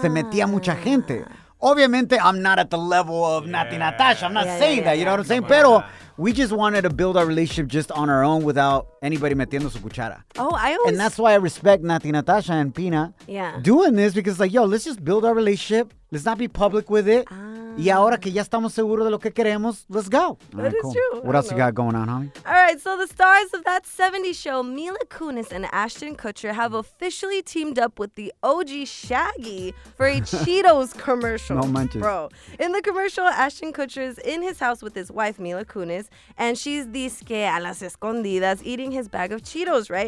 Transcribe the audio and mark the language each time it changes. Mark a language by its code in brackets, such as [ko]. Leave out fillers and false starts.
[es] Se metía mucha gente. Obviamente, [en] I'm not at the level of Nati Natasha. I'm not saying that. You know what I'm saying? Pero we just wanted to build our relationship just on our own without anybody [es] metiendo su cuchara. [en] Oh, I always... And that's why I respect Nati Natasha and Pina doing this because, like, yo, let's just build our relationship. Let's not be public with it. [es] Y ahora que ya estamos seguros de lo que queremos, [en] let's go. That is true. What else you got going on, homie? All right, so the stars of That 70s Show, Mila Kunis and Ashton Kutcher, have officially teamed up with the OG Shaggy for a Cheetos commercial. [es] No manches. [en] Bro, in the commercial, Ashton Kutcher is in his house with his wife, Mila Kunis, and she's [es] disque a las escondidas [en] eating his bag of Cheetos, right?